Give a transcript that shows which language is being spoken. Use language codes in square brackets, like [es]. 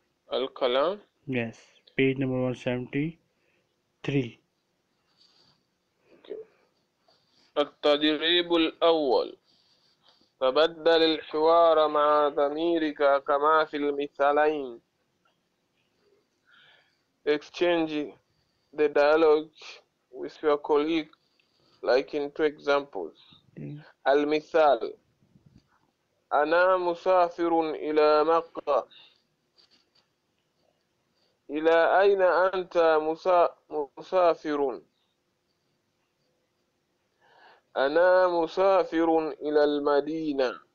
[en] Al Kalam. Yes. Page number 173. [ar] التدريب الأول تبدل الحوار مع ضميرك كما في المثالين. [en] Exchange the dialogue with your colleague like in two examples. [ar] المثال أنا مسافر إلى مكة. إلى أين أنت مسافر؟ أنا مسافر إلى المدينة.